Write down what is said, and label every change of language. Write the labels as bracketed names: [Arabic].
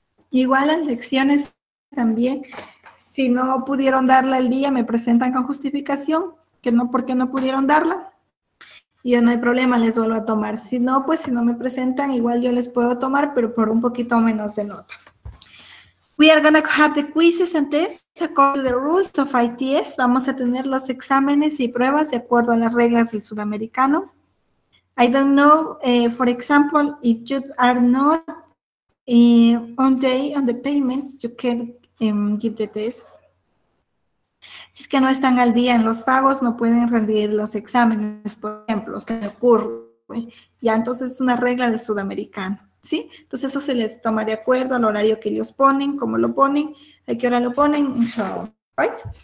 [Spanish] Igual las lecciones también, si no pudieron darla el día, me presentan con justificación, que no, porque no pudieron darla. Yo no hay problema, les vuelvo a tomar. Si no, pues si no me presentan, igual yo les puedo tomar, pero por un poquito menos de nota. [English] We are going to have the quizzes and tests according to the rules of ITS. [Spanish] Vamos a tener los exámenes y pruebas de acuerdo a las reglas del sudamericano. [English] I don't know, for example, if you are not on day on the payments, you can give the tests. [Spanish] Si es que no están al día en los pagos, no pueden rendir los exámenes, por ejemplo, se me ocurre. Ya, entonces es una regla de sudamericano, ¿sí? Entonces eso se les toma de acuerdo al horario que ellos ponen, cómo lo ponen, a qué hora lo ponen, so, right?